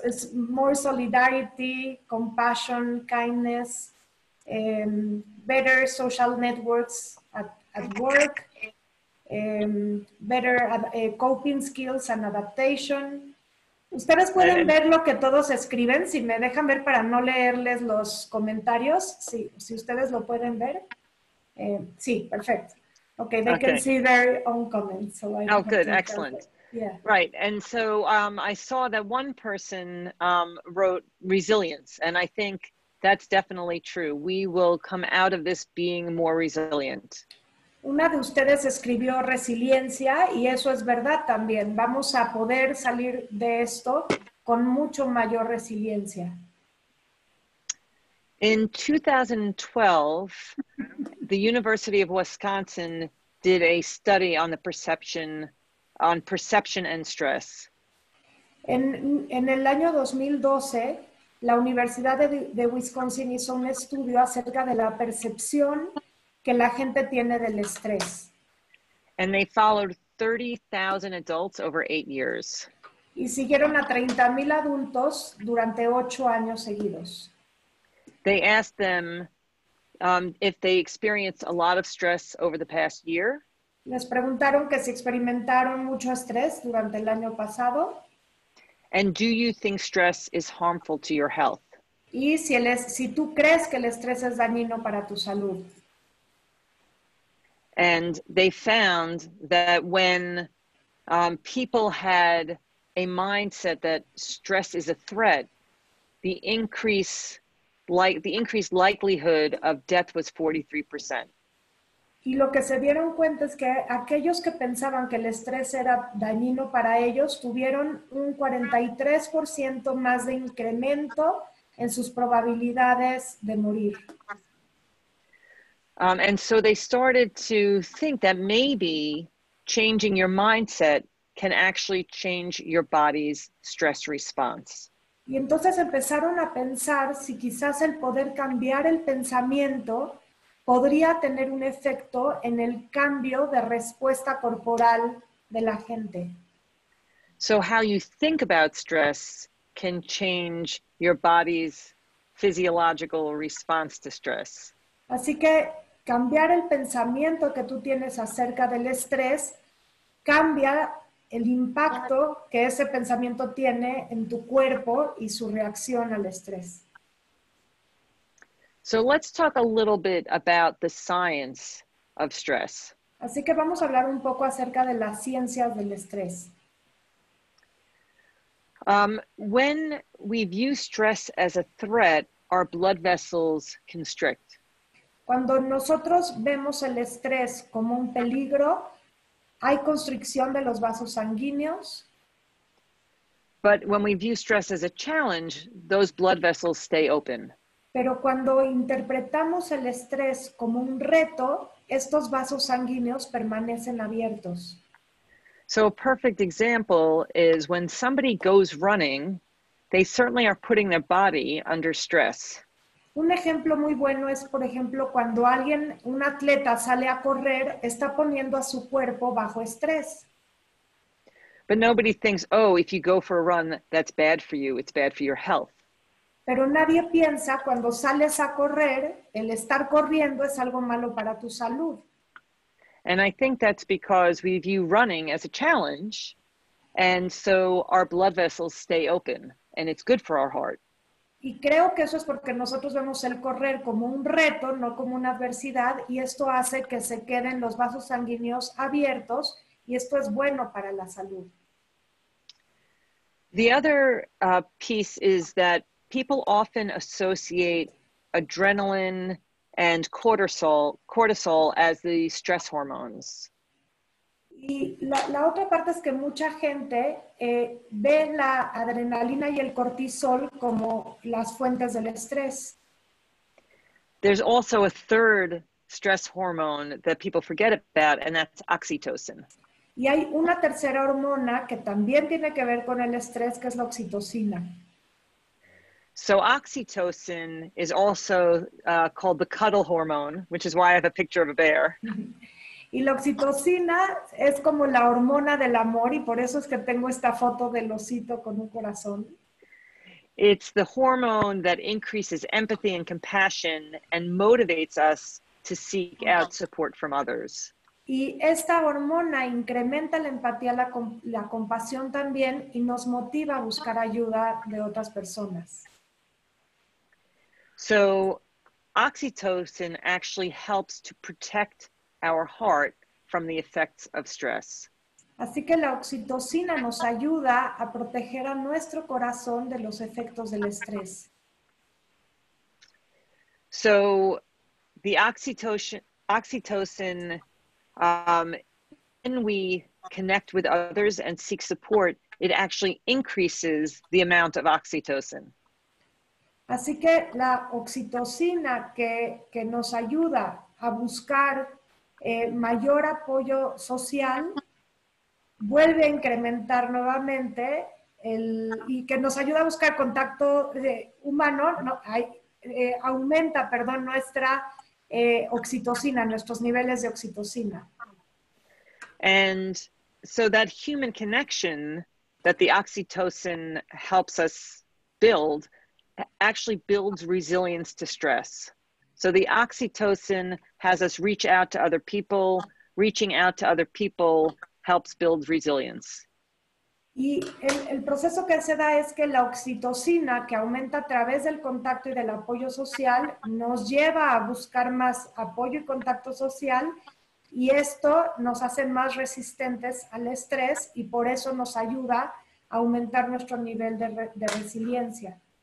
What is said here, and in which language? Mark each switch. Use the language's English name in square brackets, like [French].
[English] It's more solidarity, compassion, kindness, better social networks at work, better coping skills and adaptation. [Spanish] Ustedes pueden ver lo que todos escriben, si me dejan ver para no leerles los comentarios, si ustedes lo pueden ver. Sí, perfecto. [English] Okay, they can see their own comments. So good, excellent. Yeah. Right, and so I saw that one person wrote resilience, and I think that's definitely true. We will come out of this being more resilient. [Spanish] Una de ustedes escribió resiliencia, y eso es verdad también. Vamos a poder salir de esto con mucho mayor resiliencia. [English] In 2012, the University of Wisconsin did a study on the perception, on perception and stress. [Spanish] En el año 2012, la Universidad de Wisconsin hizo un estudio acerca de la percepción que la gente tiene del estrés. [English] And they followed 30,000 adults over 8 years. [Spanish] Y siguieron a 30,000 adultos durante 8 años seguidos. [English] They asked them if they experienced a lot of stress over the past year. [Spanish] Les preguntaron que si experimentaron mucho estrés durante el año pasado. [English] And do you think stress is harmful to your health? [Spanish] Y si tú crees que el estrés es dañino para tu salud. [English] And they found that when people had a mindset that stress is a threat, the increased likelihood of death was 43%. [Spanish] Y lo que se dieron cuenta es que aquellos que pensaban que el estrés era dañino para ellos tuvieron un 43% más de incremento en sus probabilidades de morir. [English] And so they started to think that maybe changing your mindset can actually change your body's stress response. [Spanish] Y entonces empezaron a pensar si quizás el poder cambiar el pensamiento podría tener un efecto en el cambio de respuesta corporal de la gente. [English] So how you think about stress can change your body's physiological response to stress. [Spanish] Así que cambiar el pensamiento que tú tienes acerca del estrés cambia el impacto que ese pensamiento tiene en tu cuerpo y su reacción al estrés. [English] So let's talk a little bit about the science of stress. [Spanish] Así que vamos a hablar un poco acerca de las ciencias del estrés. [English] When we view stress as a threat, our blood vessels constrict. [Spanish] Cuando nosotros vemos el estrés como un peligro, hay constricción de los vasos sanguíneos. [English] But when we view stress as a challenge, those blood vessels stay open. [Spanish] Pero cuando interpretamos el estrés como un reto, estos vasos sanguíneos permanecen abiertos. [English] So a perfect example is when somebody goes running, they certainly are putting their body under stress. [Spanish] Un ejemplo muy bueno es, por ejemplo, cuando un atleta sale a correr, está poniendo a su cuerpo bajo estrés. [English] But nobody thinks, oh, if you go for a run, that's bad for you, it's bad for your health. [Spanish] Pero nadie piensa cuando sales a correr, el estar corriendo es algo malo para tu salud. [English] And I think that's because we view running as a challenge, and so our blood vessels stay open, and it's good for our heart. [Spanish] Y creo que eso es porque nosotros vemos el correr como un reto, no como una adversidad, y esto hace que se queden los vasos sanguíneos abiertos, y esto es bueno para la salud. [English] The other piece is that people often associate adrenaline and cortisol as the stress hormones. [Spanish] Y la otra parte es que mucha gente ve la adrenalina y el cortisol como las fuentes del estrés. [English] There's also a third stress hormone that people forget about, and that's oxytocin. [Spanish] Y hay una tercera hormona que también tiene que ver con el estrés, que es la oxitocina. [English] So oxytocin is also called the cuddle hormone, which is why I have a picture of a bear. [Spanish] Y la oxitocina es como la hormona del amor, y por eso es que tengo esta foto del osito con un corazón. [English] It's the hormone that increases empathy and compassion and motivates us to seek out support from others. [Spanish] Y esta hormona incrementa la empatía, la compasión también, y nos motiva a buscar ayuda de otras personas. [English] So oxytocin actually helps to protect our heart from the effects of stress. [Spanish] Así que la oxitocina nos ayuda a proteger a nuestro corazón de los efectos del estrés. [English] So the oxytocin, when we connect with others and seek support, it actually increases the amount of oxytocin. [Spanish] Así que la oxitocina que nos ayuda a buscar mayor apoyo social, vuelve a incrementar nuevamente y que nos ayuda a buscar contacto humano, aumenta nuestra oxitocina, nuestros niveles de oxitocina. [English] And so that human connection that the oxytocin helps us build actually builds resilience to stress. So the oxytocin has us reach out to other people. Reaching out to other people helps build resilience. [Spanish] Y el proceso que se da es que la oxitocina, que aumenta a través del contacto y del apoyo social, nos lleva a buscar más apoyo y contacto social, y esto nos hace más resistentes al estrés, y por eso nos ayuda a aumentar nuestro nivel de resiliencia.